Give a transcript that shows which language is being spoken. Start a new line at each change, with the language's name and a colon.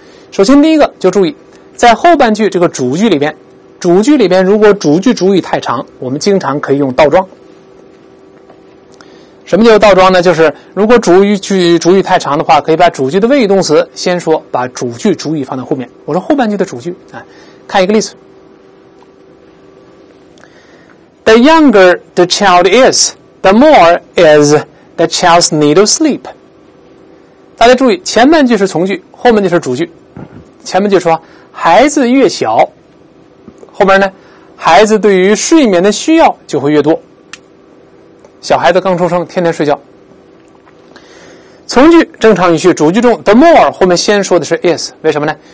Chinese: 首先第一个就注意，在后半句这个主句里边，主句里边如果主句主语太长，我们经常可以用倒装。什么叫倒装呢？就是如果主语句主语太长的话，可以把主句的谓语动词先说，把主句主语放在后面。我说后半句的主句，看一个例子。
English: The younger the child is, the more is the child's need of sleep.
Chinese: 大家注意，前半句是从句，后面就是主句。前面就说孩子越小，后面呢，孩子对于睡眠的需要就会越多。小孩子刚出生天天睡觉，从句正常语序，主句中
English: the more
Chinese: 后面先说的是 is， 为什么呢？